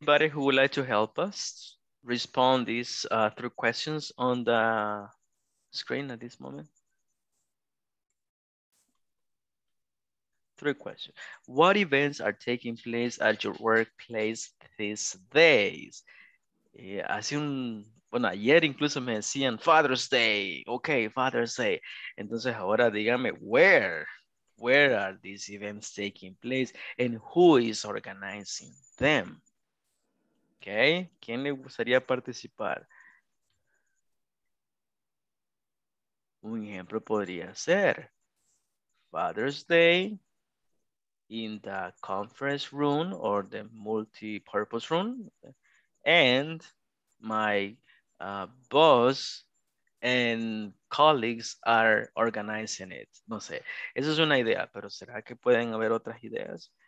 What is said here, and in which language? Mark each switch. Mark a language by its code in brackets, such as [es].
[en] anybody who would like to help us respond these through questions on the screen at this moment? Three questions. What events are taking place at your workplace these days? [es] Hace un, bueno, ayer incluso me decían Father's Day. [en] Okay, Father's Day. [es] Entonces ahora dígame, [en] where are these events taking place and who is organizing them? [es] Okay, ¿quién le gustaría participar? Un ejemplo podría ser [en] Father's Day in the conference room or the multi-purpose room, and my boss and colleagues are organizing it. [es] No sé, esa es una idea, pero ¿será que pueden haber otras ideas?